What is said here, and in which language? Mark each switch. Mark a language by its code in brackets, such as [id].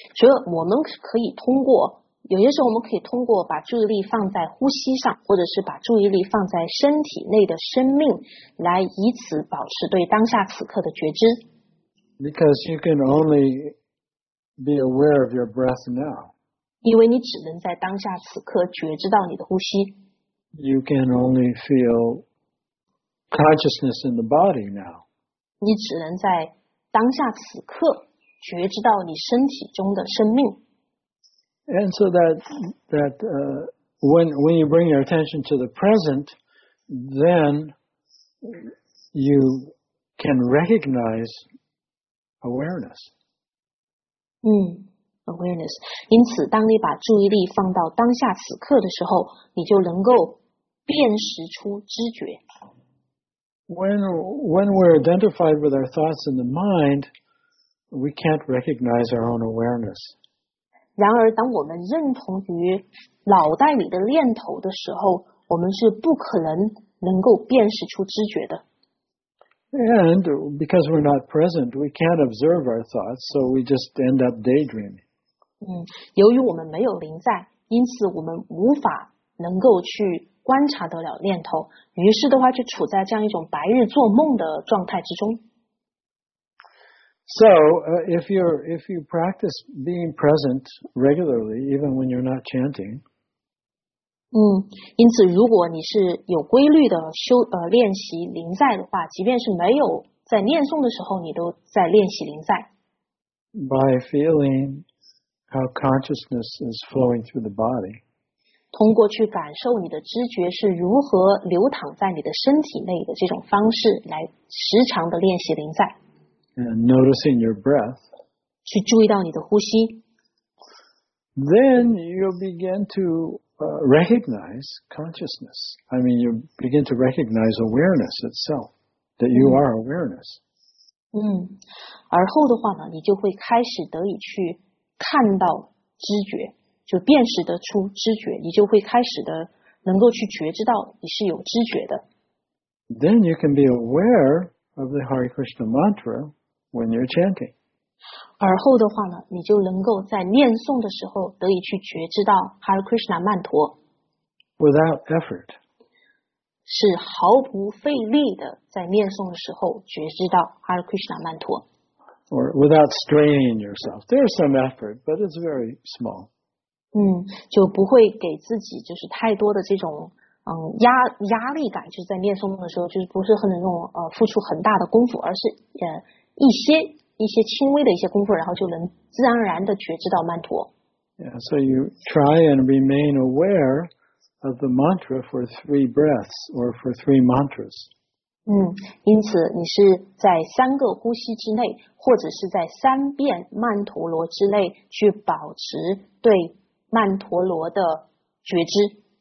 [zh] 所以我们可以通过，有些时候我们可以通过把注意力放在呼吸上，或者是把注意力放在身体内的生命，来以此保持对当下此刻的觉知。 [en] Because you can only be aware of your breath now. [zh] 因为你只能在当下此刻觉知到你的呼吸。 [en] You can only feel consciousness in the body now. [zh] 你只能在当下此刻觉知到你身体中的生命。 [en] And so when you bring your attention to the present, then you can recognize awareness. Awareness. [zh] 因此，当你把注意力放到当下此刻的时候，你就能够辨识出知觉。 [en] When we're identified with our thoughts and the mind, we can't recognize our own awareness. [zh] 然而当我们认同于脑袋里的念头的时候，我们是不可能能够辨识出知觉的。 [en] And because we're not present, we can't observe our thoughts, so we just end up daydreaming. [zh] 由于我们没有临在，因此我们无法能够去观察得了念头，于是的话就处在这样一种白日做梦的状态之中。 [en] So, if you practice being present regularly, even when you're not chanting. [zh] 因此如果你是有规律的练习临在的话，即便是没有在念诵的时候，你都在练习临在。 [en] By feeling how consciousness is flowing through the body. [zh] 通过去感受你的知觉是如何流淌在你的身体内的这种方式来时常的练习临在。 [en] And noticing your breath, [zh] 去注意到你的呼吸 [en] then you'll begin to recognize consciousness. I mean, you begin to recognize awareness itself, that you are awareness. [zh] 而后的话呢，你就会开始得以去看到知觉，就辨识得出知觉，你就会开始的能够去觉知到你是有知觉的。 [en] Then you can be aware of the Hare Krishna mantra. When you're chanting. [zh] 而后的话呢，你就能够在念诵的时候得以去觉知到 Hare Krishna 曼陀。 [en] Without effort. [zh] 是毫不费力的在念诵的时候觉知到 Hare Krishna 曼陀。 [en] Or without straining yourself. There's some effort, but it's very small. [zh] 就不会给自己就是太多的这种压力感，就是在念诵的时候就是不是很那种付出很大的功夫，而是一些轻微的一些功夫，然后就能自然而然的觉知到曼陀。 [en] Yeah, so you try and remain aware of the mantra for three breaths or for three mantras. [zh] 因此你是在三个呼吸之内，或者是在三遍曼陀罗之内去保持对曼陀罗的觉知。